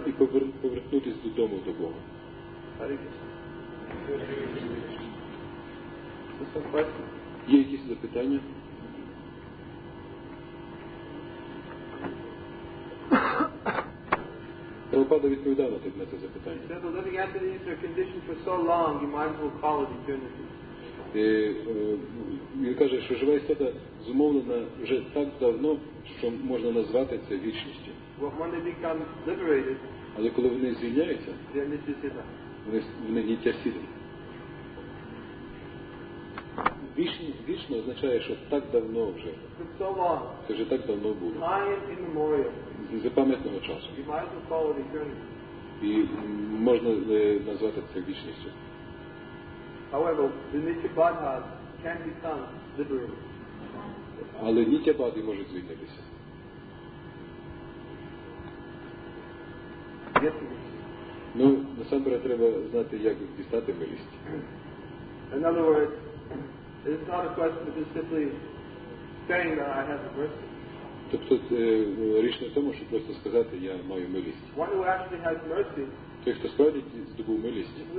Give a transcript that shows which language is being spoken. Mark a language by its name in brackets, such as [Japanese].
[Ukrainian] І повернутися додому до Бога. [Sanskrit] Hare Krishna. [Ukrainian] Є якісь запитання? Прабхупада відповідав на це запитання. [English] He said, the living entities are conditioned for so long, you might as well call it eternity. [Ukrainian] Він каже, що живе істота зумовлена вже так давно, що можна назвати це вічністю. [English] When they become liberated, [Ukrainian] але коли вони звільняються, вони не тясіли. Вічно означає, що так давно вже. [English] So long, [Ukrainian] це вже так давно було. [English] Time immemorial. [Ukrainian] З пам'ятного часу. [English] You might as well call it eternity. [Ukrainian] І можна назвати це вічністю. [English] However, the Nitya Bhadhas can become liberated. [Ukrainian] Але Нітя Бхади можуть звільнитися. [English] Yes. [Ukrainian] Ну, насамперед, треба знати, як дістати милість. [English] In other words, it's not a question of just simply saying that I have a mercy. [Ukrainian] Тобто річ не в тому, що просто сказати, я маю милість. [English] One who actually has mercy. [Ukrainian] Той, хто справді здобув милість.